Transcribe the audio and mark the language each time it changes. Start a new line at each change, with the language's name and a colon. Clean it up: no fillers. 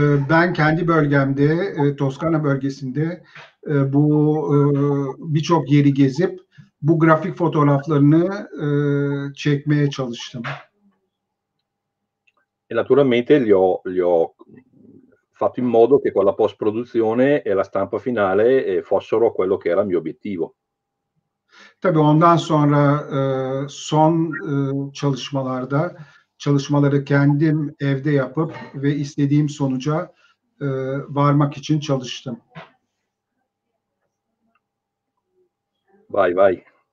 Turkish: Ben kendi bölgemde, Toskana bölgesinde bu birçok yeri gezip bu grafik fotoğraflarını çekmeye çalıştım.
Italian: E naturalmente li ho fatto in modo che con la post produzione e la stampa finale fossero quello che era il mio obiettivo.
Turkish: Tabii ondan sonra son çalışmalarda çalışmaları kendim evde yapıp ve istediğim sonuca varmak için çalıştım. Vay vay.